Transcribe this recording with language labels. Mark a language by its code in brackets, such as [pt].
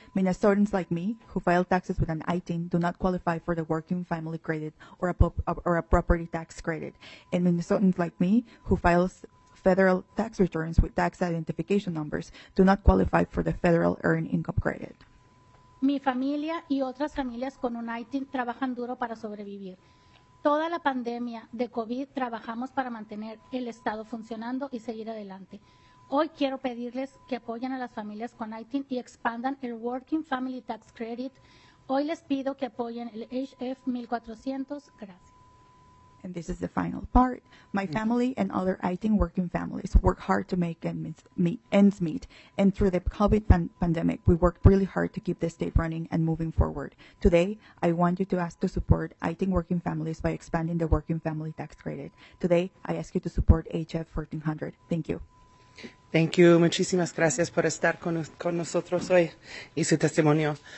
[en] Minnesotans like me, who file taxes with an ITIN, do not qualify for the Working Family Credit or a property tax credit. And Minnesotans like me, who federal tax returns with tax identification numbers do not qualify for the federal earned income credit. [es] Mi familia y otras familias con un ITIN trabajan duro para sobrevivir. Toda la pandemia de COVID trabajamos para mantener el Estado funcionando y seguir adelante. Hoy quiero pedirles que apoyen a las familias con ITIN y expandan el Working Family Tax Credit. Hoy les pido que apoyen el HF 1400. Gracias. [en] And this is the final part. My family and other ITIN working families work hard to make ends meet. And through the COVID pandemic, we worked really hard to keep the state running and moving forward. Today, I want you to ask to support ITIN working families by expanding the working family tax credit. Today, I ask you to support HF 1400. Thank you. Thank you. [es] Muchísimas gracias por estar con nosotros hoy y su testimonio.